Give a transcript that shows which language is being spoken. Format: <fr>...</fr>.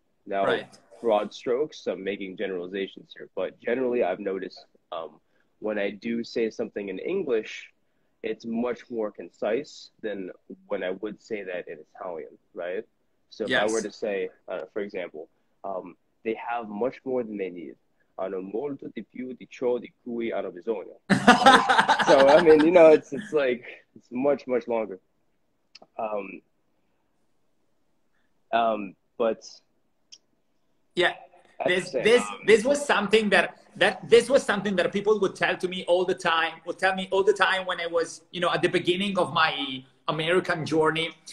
<en>Now, broad strokes, I'm making generalizations here, but generally I've noticed when I do say something in English, it's much more concise than when I would say that in Italian, right? So if I were to say, for example, they have much more than they need.</en> <it>Hanno molto di più di ciò di cui hanno bisogno.</it> <en>So, I mean, you know, it's like, it's much, much longer. But yeah, this was something that was something that people would tell to me all the time, would tell me all the time when I was, you know, at the beginning of my American journey.</en>